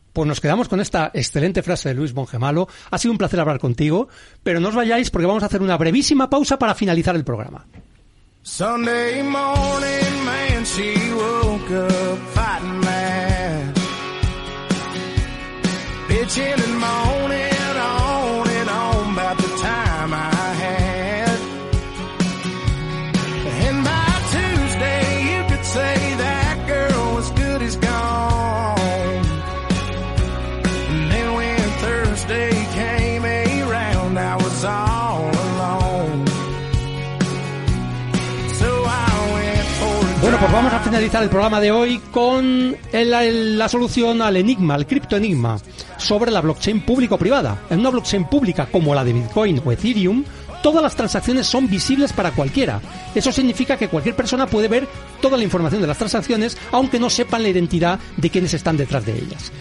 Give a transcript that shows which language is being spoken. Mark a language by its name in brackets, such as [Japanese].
[Spanish] Pues nos quedamos con esta excelente frase de Luis Bongemalo. Ha sido un placer hablar contigo, pero no os vayáis porque vamos a hacer una brevísima pausa para finalizar el programa. [English] Sunday morning, man, she woke up fighting mad. Bitching and moaning on and on about the time I had. And by Tuesday you could say that girl was good as gone. And then when Thursday came around I was all alone. So I went for a... [Spanish] Bueno, pues vamos a finalizar el programa de hoy con la solución al enigma, al criptoenigma sobre la blockchain público-privada. En una blockchain pública como la de Bitcoin o Ethereum, todas las transacciones son visibles para cualquiera. Eso significa que cualquier persona puede ver toda la información de las transacciones, aunque no sepan la identidad de quienes están detrás de ellas.